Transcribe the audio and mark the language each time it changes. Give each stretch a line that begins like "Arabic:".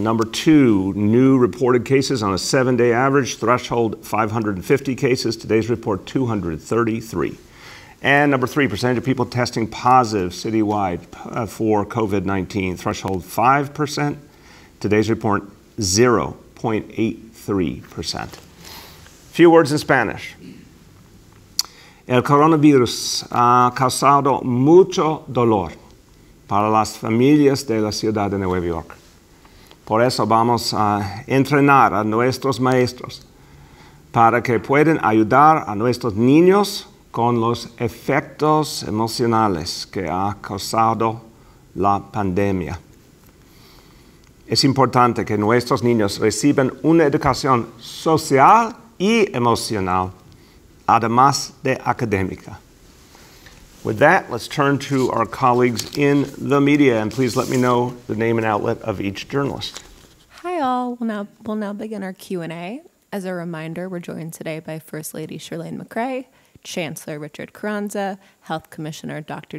English: Number two, new reported cases on a seven-day average, threshold 550 cases, today's report 233. And number three, percentage of people testing positive citywide for COVID-19, threshold 5%, today's report 0.83%. A few words in Spanish.
Spanish: El coronavirus ha causado mucho dolor para las familias de la ciudad de Nueva York. Por eso vamos a entrenar a nuestros maestros para que puedan ayudar a nuestros niños con los efectos emocionales que ha causado la pandemia. Es importante que nuestros niños reciban una educación social y emocional, además de académica.
English: With that, let's turn to our colleagues in the media, and please let me know the name and outlet of each journalist. Hi, all. We'll now begin our Q&A. As a reminder, we're joined today by First Lady Shirlane McCray, Chancellor Richard Carranza, Health Commissioner Dr.